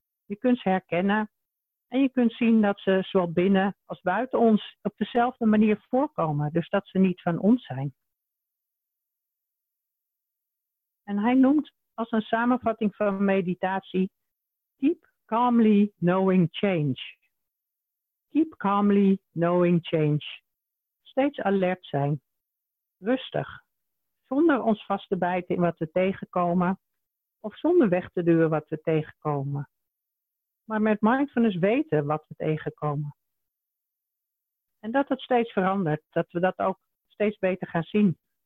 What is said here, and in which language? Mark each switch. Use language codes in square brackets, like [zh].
[nl] Je kunt ze herkennen en je kunt zien dat ze zowel binnen als buiten ons op dezelfde manier voorkomen. Dus dat ze niet van ons zijn. En hij noemt als een samenvatting van meditatie, [en] keep calmly knowing change. Keep calmly knowing change. [nl] Steeds alert zijn. Rustig. Zonder ons vast te bijten in wat we tegenkomen of zonder weg te duwen wat we tegenkomen. Maar met mindfulness weten wat we tegenkomen. En dat het steeds verandert. Dat we dat ook steeds beter gaan zien.